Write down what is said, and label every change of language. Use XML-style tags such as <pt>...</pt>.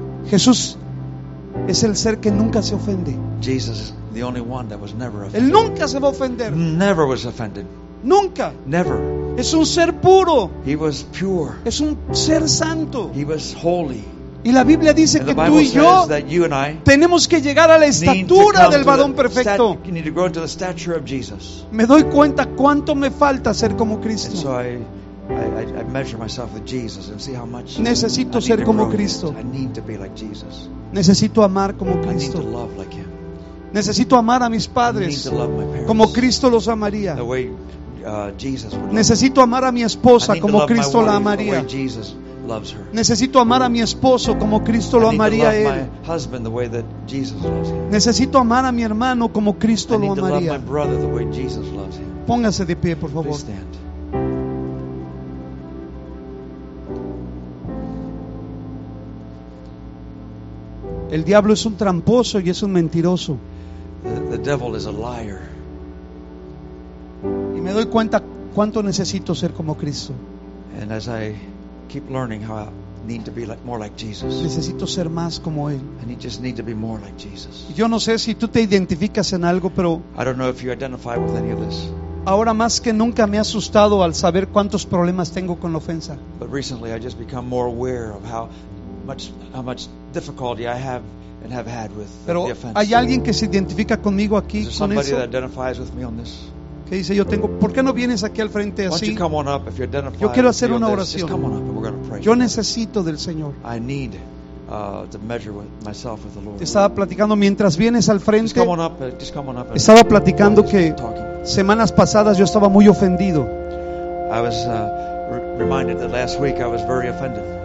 <es>Jesús es el ser que nunca se ofende.</es> <en>Jesus is the only one that was never offended.</en> <es>Él nunca se va a ofender.</es> <en>Never was offended.</en> <es>Nunca.</es> <en>Never.</en> <es>Es un ser puro.</es> <en>He was pure.</en> <es>Es un ser santo.</es> <en>He was holy.</en> <es>Y la Biblia dice que tú y yo tenemos que llegar a la estatura del varón perfecto.</es> <en>You need to grow into the stature of Jesus.</en> <es>Me doy cuenta cuánto me falta ser como Cristo.</es> <en>So I measure myself with Jesus and see how much</en> <es>necesito ser como Cristo.</es> <en>I need to be like Jesus.</en> <es>Necesito amar como Cristo.</es> <en>I need to love like him.</en> <es>Necesito amar a mis padres</es> <en>I need to love my parents.</en> <es>Como Cristo los amaría.</es> <en>The way, Jesus would love.</en> <es>Necesito amar a mi esposa como Cristo la amaría.</es> <en>Loves her.</en> <es>Necesito amar a mi esposo como Cristo lo amaría él.</es> <en>My husband the way that Jesus loves him.</en> <es>Necesito amar a mi hermano como Cristo lo amaría.</es> <en>I need to love my brother the way Jesus loves him.</en> <es>Póngase de pie, por favor.</es> <en>Please stand.</en> <es>El diablo es un tramposo y es un mentiroso.</es> <en>The devil is a liar.</en> <es>Y me doy cuenta cuánto necesito ser como Cristo.</es> <en>And as I keep learning how I need to be like, more like Jesus.</en> <es>Necesito ser más como él.</es> <en>And you just need to be more like Jesus.</en> <es>Yo no sé si tú te identificas en algo, pero</es> <en>I don't know if you identify with any of this.</en> <es>Ahora más que nunca me ha asustado al saber cuántos problemas tengo con la ofensa.</es> <en>But recently I just become more aware of how much difficulty I have and have had with</en> <es>pero</es> <en>the offense.</en> <es>¿Hay alguien que se identifica conmigo aquí con eso?</es> <en>Is there somebody that identifies with me on this?</en> <es>Que dice yo tengo, ¿por qué no vienes aquí al frente así? Yo quiero hacer una oración. Yo necesito del Señor.</es> <en>I need to measure myself with the Lord.</en> <es>Estaba platicando mientras vienes al frente.</es> <en>Just come on up.</en> <es>Estaba platicando que semanas pasadas yo estaba muy ofendido.</es> <en>I was reminded that last week I was very offended.</en>